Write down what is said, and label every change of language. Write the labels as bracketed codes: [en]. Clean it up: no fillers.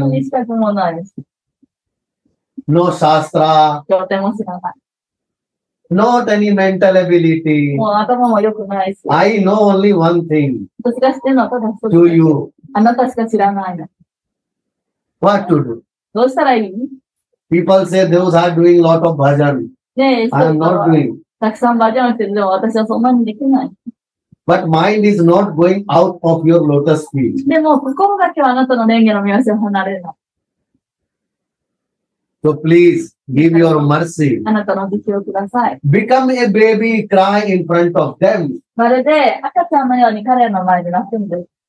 [ja] 何資格もないし。 [en] No shastra. [ja] 教典も知らない。 [en] Not any mental ability. [ja] もう頭も良くないし。 [en] I know only one thing. [ja] 私が知ってるのはただ一つ。 [en] To you. [ja] あなたしか知らないの。 [en] What to do? [ja] どうしたらいい? [en] People say those are doing lot of bhajan. I am not doing. [ja] たくさん bhajan してるでも私はそんなにできない。 [en] But mind is not going out of your lotus feet. [ja] でも心だけはあなたの蓮華の名所を離れない。 [en] So please give your mercy. [ja] あなたの慈悲をください。 [en] Become a baby, cry in front of them. [ja] まるで赤ちゃんのように彼らの前で泣くんです。